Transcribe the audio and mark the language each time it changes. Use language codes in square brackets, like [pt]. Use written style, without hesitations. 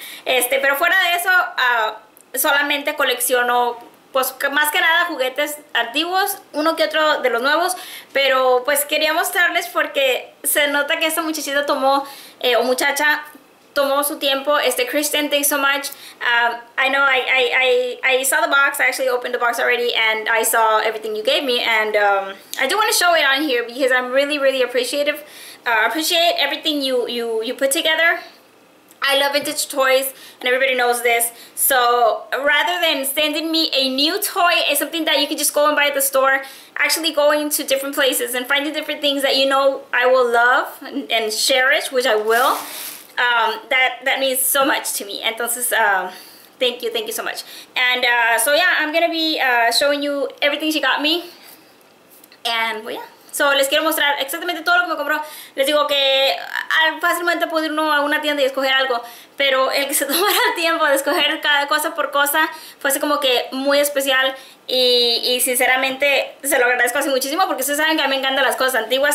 [es] Pero fuera de eso, solamente colecciono, pues más que nada, juguetes antiguos, uno que otro de los nuevos. Pero pues quería mostrarles, porque se nota que esta muchachita tomó, o muchacha, tomó su tiempo. [en] Kristen, thanks so much. I know I saw the box. I actually opened the box already, and I saw everything you gave me. And I do want to show it on here, because I'm really, really appreciative. Appreciate everything you put together. I love vintage toys, and everybody knows this. So rather than sending me a new toy, it's something that you can just go and buy at the store. Actually going to different places and finding different things that you know I will love and cherish, which I will. That means so much to me. Entonces, thank you so much. And so yeah, I'm gonna be showing you everything she got me. And well, yeah. [es] So les quiero mostrar exactamente todo lo que me compró. Les digo que fácilmente puede ir uno a una tienda y escoger algo, pero el que se tomara el tiempo de escoger cada cosa por cosa fue así como que muy especial. Y sinceramente se lo agradezco así muchísimo, porque ustedes saben que a mí me encantan las cosas antiguas.